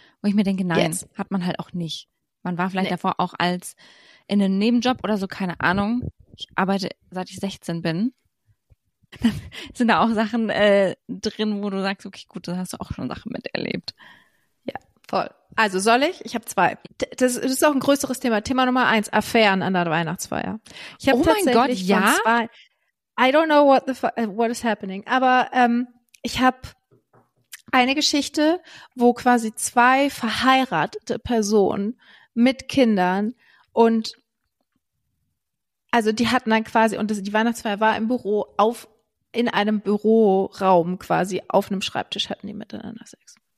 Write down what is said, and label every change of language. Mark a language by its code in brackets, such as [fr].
[de] Wo ich mir denke, nein, hat man halt auch nicht. Man war vielleicht davor auch als in einem Nebenjob oder so, keine Ahnung. Ich arbeite, seit ich 16 bin. Dann sind da auch Sachen drin, wo du sagst, okay, gut, da hast du auch schon Sachen miterlebt. Ja, voll. Also soll ich? Ich habe 2. Das ist auch ein größeres Thema. Thema Nummer 1, Affären an der Weihnachtsfeier. Ich habe [en] I don't know what is happening. [de] Aber ich habe eine Geschichte, wo quasi 2 verheiratete Personen mit Kindern und also die hatten dann quasi, und die Weihnachtsfeier war im Büro, in einem Büroraum quasi, auf einem Schreibtisch hatten die miteinander Sex.